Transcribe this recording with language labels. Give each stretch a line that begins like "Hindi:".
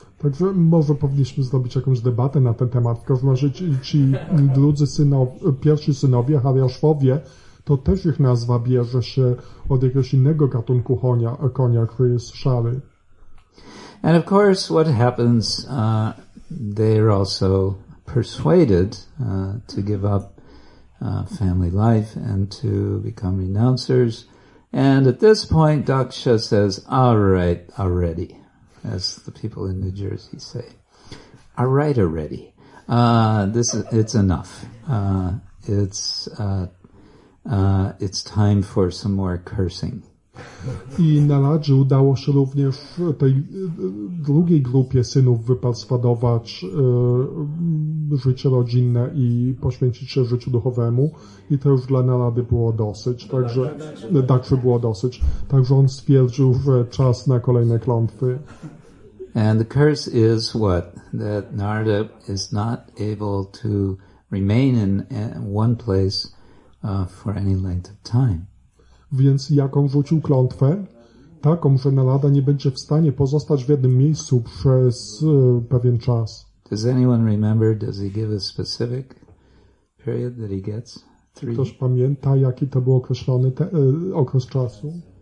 Polish: Także może powinniśmy zrobić jakąś debatę na ten temat. W każdym razie ci drudzy synowie, pierwsi synowie, Haryashvowie, to też ich nazwa bierze się od jakiegoś innego gatunku konia, który jest szary.
English: And of course, what happens, they are also persuaded to give up family life and to become renouncers. And at this point, Daksha says, all right, already, as the people in New Jersey say. All right, already. It's enough. It's time for some more cursing.
Polish: I Naladży udało się również tej drugiej grupie synów wyperswadować życie rodzinne i poświęcić się życiu duchowemu. I to już dla Nalady było dosyć. Także Daksha było dosyć. Także on stwierdził, że czas na kolejne klątwy.
English: And the curse is what? That Narada is not able to remain in one place for any length of time.
Polish: Więc jaką rzucił klątwę? Taką, że Narada nie będzie w stanie pozostać w jednym miejscu przez pewien czas.
English: Does anyone remember, does he give a specific period that he gets? Three?
Polish: Ktoś pamięta, jaki to był określony okres czasu?